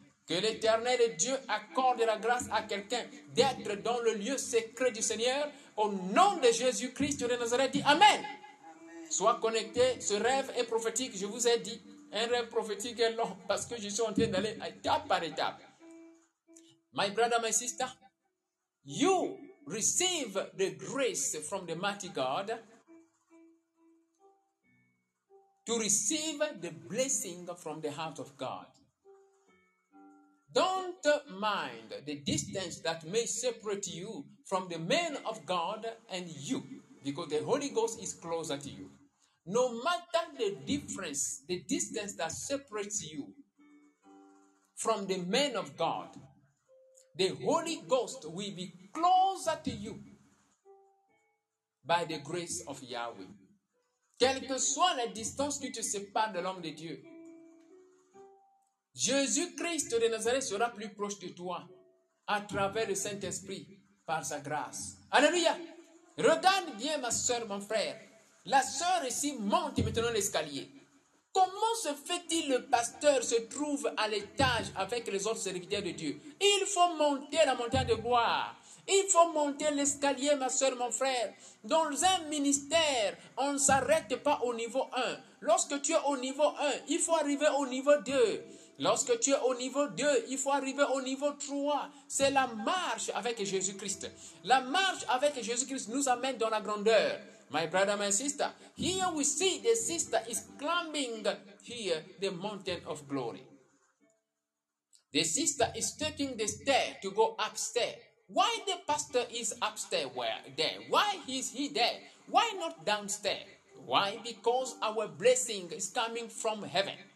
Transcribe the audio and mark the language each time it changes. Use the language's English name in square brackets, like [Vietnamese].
[French] Que l'Éternel Dieu accorde la grâce à quelqu'un d'être dans le lieu secret du Seigneur. Au nom de Jésus-Christ de Nazareth, dit Amen. Sois connecté, ce rêve est prophétique, je vous ai dit. Un rêve prophétique est long parce que je suis en train d'aller étape par étape. [English] My brother, my sister, you receive the grace from the mighty God to receive the blessing from the heart of God. Don't mind the distance that may separate you from the man of God and you, because the Holy Ghost is closer to you. No matter the difference, the distance that separates you from the man of God, the Holy Ghost will be closer to you by the grace of Yahweh. [French] Quelle que soit la distance qui te sépare de l'homme de Dieu, Jésus-Christ de Nazareth sera plus proche de toi à travers le Saint-Esprit par sa grâce. Alléluia! Regarde bien ma soeur, mon frère. La sœur ici monte maintenant l'escalier. Comment se fait-il le pasteur se trouve à l'étage avec les autres serviteurs de Dieu? Il faut monter la montagne de gloire. Il faut monter l'escalier, ma sœur, mon frère. Dans un ministère, on ne s'arrête pas au niveau 1. Lorsque tu es au niveau 1, il faut arriver au niveau 2. Lorsque tu es au niveau 2, il faut arriver au niveau 3. C'est la marche avec Jésus-Christ. La marche avec Jésus-Christ nous amène dans la grandeur. [English] My brother, my sister, here we see the sister is climbing here the mountain of glory. The sister is taking the stair to go upstairs. Why the pastor is upstairs there? Why is he there? Why not downstairs? Why? Because our blessing is coming from heaven.